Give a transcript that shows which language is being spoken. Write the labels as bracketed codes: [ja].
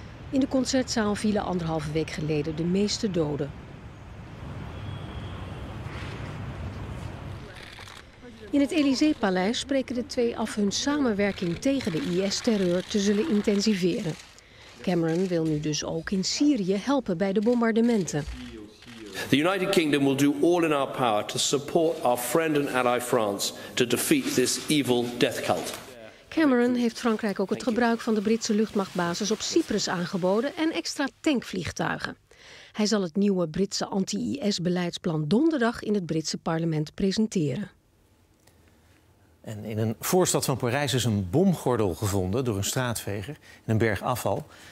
[nl] In de concertzaal vielen anderhalve week geleden de meeste doden. In het Élysée-paleis spreken de twee af hun samenwerking tegen de IS-terreur te zullen intensiveren. Cameron wil nu dus ook in Syrië helpen bij de bombardementen. [en] The United Kingdom will do all in our power to support our friend and ally France to defeat this evil death cult. [nl] Cameron heeft Frankrijk ook het gebruik van de Britse luchtmachtbasis op Cyprus aangeboden en extra tankvliegtuigen. Hij zal het nieuwe Britse anti-IS-beleidsplan donderdag in het Britse parlement presenteren. En in een voorstad van Parijs is een bomgordel gevonden door een straatveger in een berg afval.